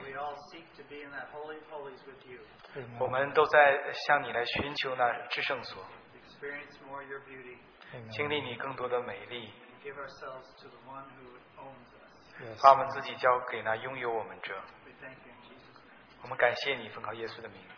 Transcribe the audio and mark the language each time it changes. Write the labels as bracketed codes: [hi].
[en] And we all seek to be in that holy of holies with you. Amen. [zh] 我们都在向你来寻求那至圣所。 [en] Experience more your beauty. Amen. [zh] 经历你更多的美丽。 [en] And give ourselves to the one who owns us. Yes. [zh] 把我们自己交给那拥有我们者。 [en] We thank you in Jesus' name. [zh] 我们感谢你，奉靠耶稣的名。